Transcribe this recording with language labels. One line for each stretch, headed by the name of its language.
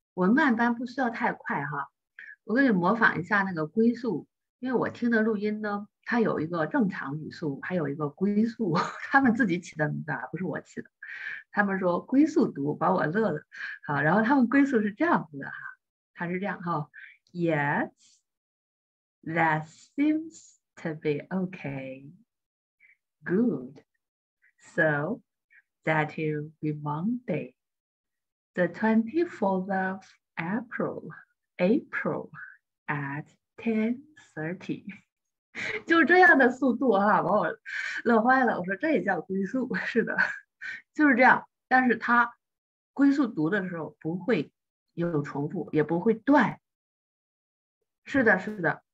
Chinese: 我们慢班不需要太快哈。我给你模仿一下那个龟速，因为我听的录音呢，它有一个正常语速，还有一个龟速，他们自己起的名字啊，不是我起的。他们说龟速读，把我乐的。好，然后他们龟速是这样子的哈，它是这样哈。
English: Yes, that seems to be okay. Good. So that will be Monday, the 24th of April. April at 10:30,
Chinese: 就这样的速度哈、啊，把我乐坏了。我说这也叫龟速，是的，就是这样。但是它龟速读的时候不会有重复，也不会断。是的，是的。